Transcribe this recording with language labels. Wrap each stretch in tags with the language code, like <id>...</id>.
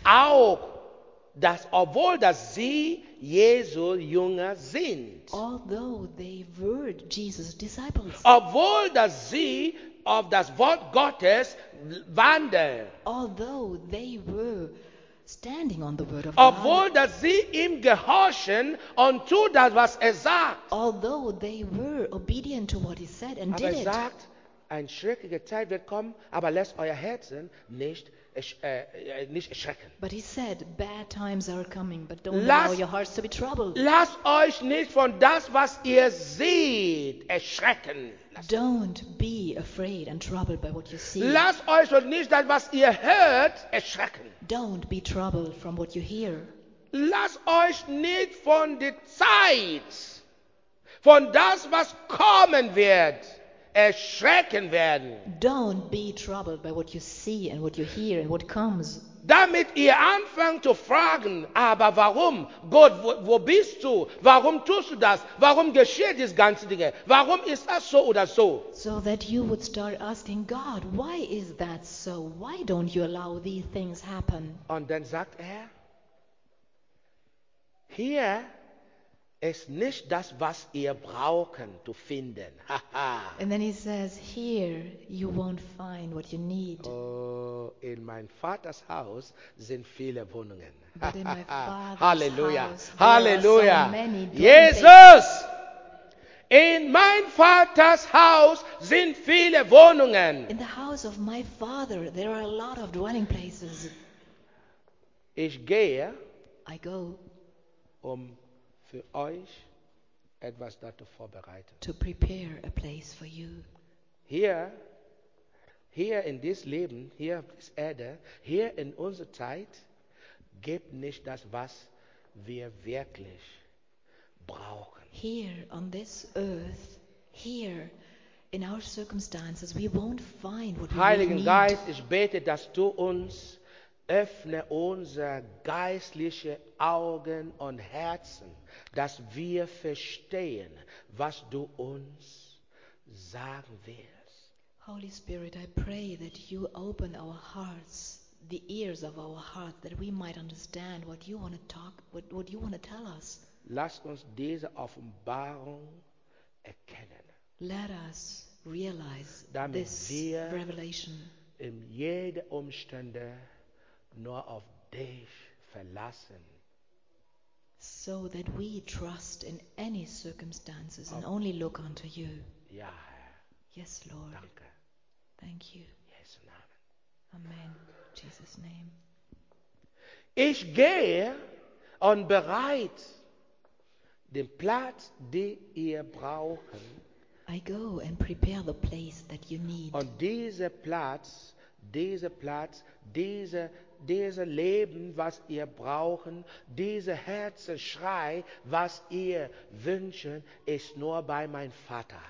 <de>Auch, dass, obwohl dass sie Jesu Jünger sind.</de> <en>Although they were Jesus' disciples.</en> <de>Obwohl dass sie auf das Wort Gottes wandeln.</de> <en>Although they were standing on the word of</en> <de>obwohl,</de> <en>God.</en> <de>Obwohl dass sie ihm gehorchen und tu das, was er sagt.</de> <en>Although they were obedient to what he said and</en> <de>aber Aber er sagt, ein schreckiger Zeit wird kommen, aber lasst euer Herzen nicht erschrecken.</de> <en>But he said, bad times are coming, but don't allow your hearts to be troubled.</en> <de>Lasst euch nicht von das, was ihr seht, erschrecken.</de> <en>Don't be afraid and troubled by what you see.</en> <de>Lasst euch nicht das, was ihr hört, erschrecken.</de> <en>Don't be troubled from what you hear.</en> <de>Lasst euch nicht von der Zeit, von das, was kommen wird, erschrecken werden.</de> <en>Don't be troubled by what you see and what you hear and what comes.</en> <de>Damit ihr anfangt zu fragen, aber warum, Gott, wo bist du? Warum tust du das? Warum geschieht diese ganze Dinge? Warum ist das so oder so?</de> <en>So that you would start asking God, why is that so? Why don't you allow these things happen?</en> <de>Und dann sagt er, hier ist nicht das, was ihr brauchen zu finden.</de> <en>And then he says, here you won't find what you need.</en> <de>Oh, in mein Vaters Haus sind viele Wohnungen.</de> <en>But in my Father's Halleluja. House, Halleluja. There are so many, don't Jesus! They?</en> <de>In mein Vaters Haus sind viele Wohnungen.</de> <en>In the house of my Father, there are a lot of dwelling places.</en> <de>Ich gehe,</de> <en>I go,</en> <de>für euch etwas dazu vorbereiten.</de> <en>To prepare a place for you.</en> <de>Hier in diesem Leben, hier auf dieser Erde, hier in unserer Zeit, gibt nicht das, was wir wirklich brauchen.</de> <en>Here on this earth, here in our circumstances, we won't find what</en> <de>Heiligen</de> <en>we really</en> <de>Geist,</de> <en>need.</en> <de>Ich bete, dass du uns öffne unsere geistlichen Augen und Herzen, dass wir verstehen, was du uns sagen willst.</de> <en>Holy Spirit, I pray that you open our hearts, the ears of our hearts, that we might understand what you want to talk, what you want to tell us.</en> <de>Lass uns diese Offenbarung erkennen.</de> <en>Let us realize this revelation.</en> <de>In jede Umstände nur auf dich verlassen.</de> <en>So that we trust in any circumstances and only look unto you.</en> <de>Ja.</de> <en>Yes, Lord.</en> <de>Danke.</de> <en>Thank you.</en> <de>Jesu Namen.</de> <en>Amen. Jesus name.</en> <de>Ich gehe und bereit den Platz, den ihr brauchen.</de> <en>I go and prepare the place that you need.</en> <de>Und dieser Leben, was ihr brauchen, diese Herzensschrei, was ihr wünschen, ist nur bei meinem Vater.</de>